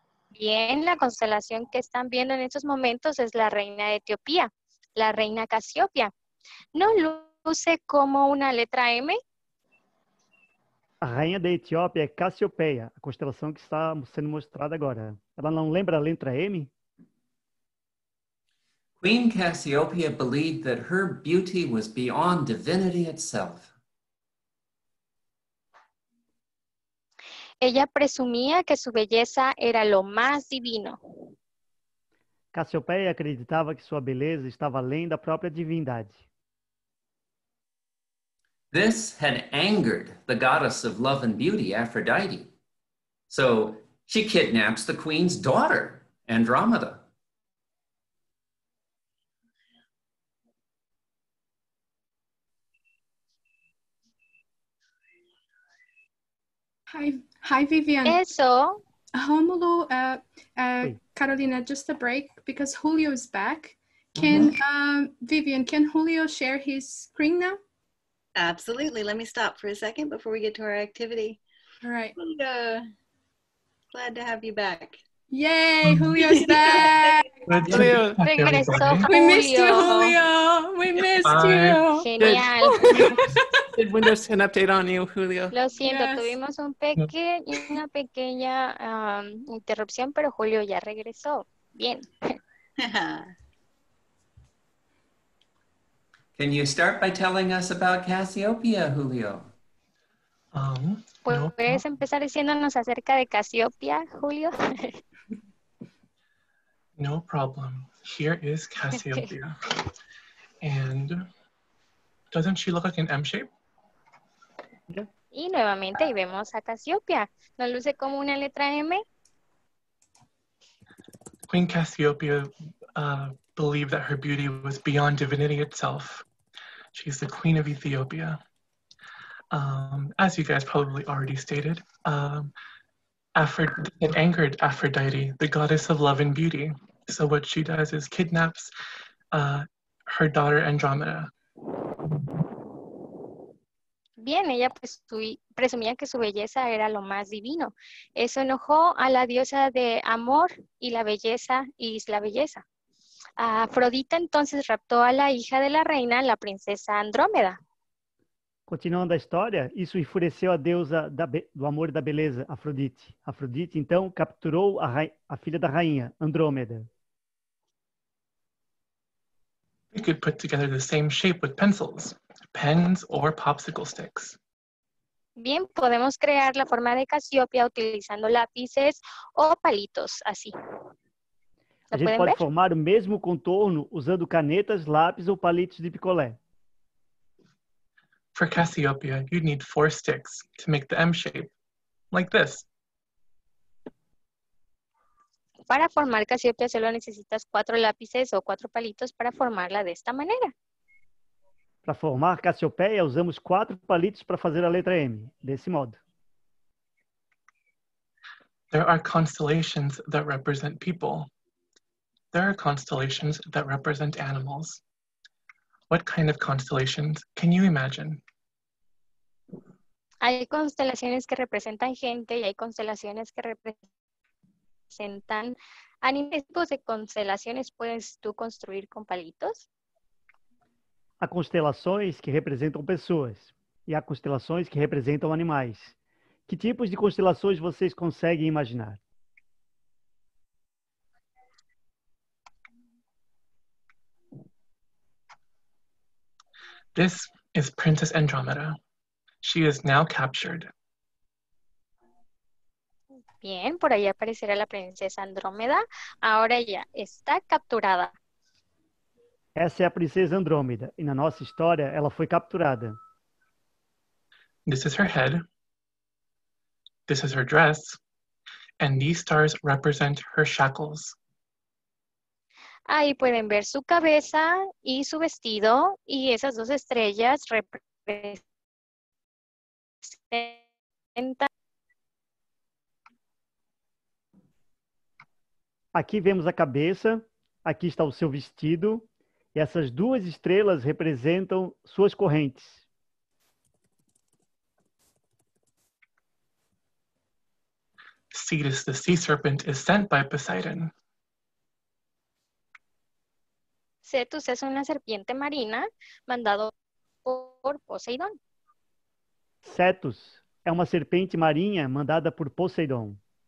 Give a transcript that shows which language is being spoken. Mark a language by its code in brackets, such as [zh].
[es] Bien, la constelación que están viendo en estos momentos es la reina de Etiopía, la reina Casiopia. ¿No luce como una letra M? La reina de Etiopía es Casiopeia, la constelación que está siendo mostrada ahora. ¿Ella no [pt] lembra [es] la letra M? [en] Queen Cassiopeia believed that her beauty was beyond divinity itself. [es] Ella presumía que su belleza era lo más divino. Cassiopeia acreditaba que su belleza estaba [pt] além da [es] propia divinidad. [en] This had angered the goddess of love and beauty, Aphrodite. So she kidnaps the queen's daughter, Andromeda. Hi, Vivian. Romulo, Carolina, just a break because Julio is back. Can Vivian, can Julio share his screen now? Absolutely. Let me stop for a second before we get to our activity. All right. Julio, glad to have you back. Yay, Julio's back. Julio. We missed you, Julio. We missed you. [es] Genial. [en] Did Windows 10 update on you, Julio? [es] Lo siento, [en] yes. [es] Tuvimos un una pequeña interrupción, pero Julio ya regresó. Bien. [en] Can you start by telling us about Cassiopeia, Julio? [es] ¿Puedes empezar diciéndonos acerca de Cassiopeia, Julio? [en] No problem. Here is Cassiopeia. And doesn't she look like an M shape? Y nuevamente ahí vemos a Cassiopeia. ¿No luce como una letra M? Queen Cassiopeia believed that her beauty was beyond divinity itself. She's the queen of Ethiopia. As you guys probably already stated, it angered Aphrodite, the goddess of love and beauty. So what she does is kidnaps her daughter Andromeda. [es] Bien, ella presumía que su belleza era lo más divino. Eso enojó a la diosa de amor y la belleza, y la belleza. Afrodita entonces raptó a la hija de la reina, la princesa Andrómeda. Continuando la historia, eso enfureció a diosa del amor y la belleza, Afrodite. Afrodite entonces capturó a la hija de la reina, Andrómeda. [en] You could put together the same shape with pencils. Pens or popsicle sticks. [es] Bien, podemos crear la forma de Casiopeia utilizando lápices o palitos, así. [pt] A gente pode formar o mesmo contorno usando canetas, lápis ou palitos de picolé. [en] For Cassiopeia, you need four sticks to make the M shape, like this. [es] Para formar Cassiopeia solo necesitas cuatro lápices o cuatro palitos para formarla de esta manera. [pt] Para formar Cassiopeia, usamos quatro palitos para fazer a letra M, desse modo. [en] There are constellations that represent people. There are constellations that represent animals. What kind of constellations can you imagine? [es] Hay constelaciones que representan gente y hay constelaciones que representan animales tipos de constelaciones puedes tú construir con palitos? [pt] Há constelações que representam pessoas e há constelações que representam animais. Que tipos de constelações vocês conseguem imaginar? [en] This is Princess Andromeda. She is now captured. [es] Bien, por ahí aparecerá la princesa Andrómeda. Ahora ella está capturada. [pt] Essa é a princesa Andrómeda, e na nossa história ela foi capturada. [en] This is her head. This is her dress. And these stars represent her shackles. [es] Ahí pueden ver su cabeza y su vestido, y esas dos estrellas representan. [pt] Aqui vemos a cabeça, aqui está o seu vestido, e essas duas estrelas representam suas correntes. [en] Cetus, the sea serpent, is sent by Poseidon. [es] Cetus es una serpiente marina mandado por Poseidón. [pt] Cetus é uma serpente marinha mandada por Poseidon.